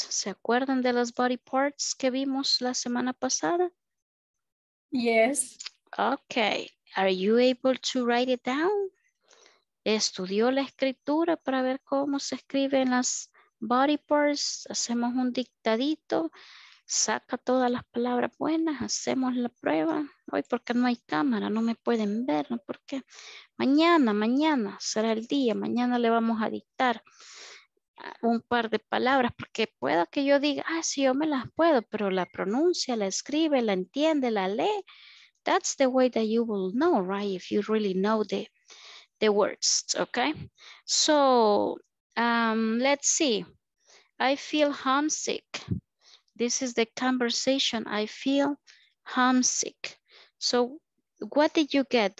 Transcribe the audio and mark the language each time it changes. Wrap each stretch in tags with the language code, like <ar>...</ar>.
<es>¿Se acuerdan de las body parts que vimos la semana pasada?</es> <en>Yes. Okay, are you able to write it down?</en> <es>¿Estudió la escritura para ver cómo se escriben las body parts? ¿Hacemos un dictadito? ¿Saca todas las palabras buenas? ¿Hacemos la prueba? Hoy porque no hay cámara, no me pueden ver, ¿no? ¿Por qué? Mañana, mañana será el día, mañana le vamos a dictar un par de palabras, porque pueda que yo diga, ah, sí, yo me las puedo, pero la pronuncia, la escribe, la entiende, la lee.</es> <en>That's the way that you will know, right? If you really know the words, okay? So let's see. I feel homesick. This is the conversation. I feel homesick. So what did you get?</en>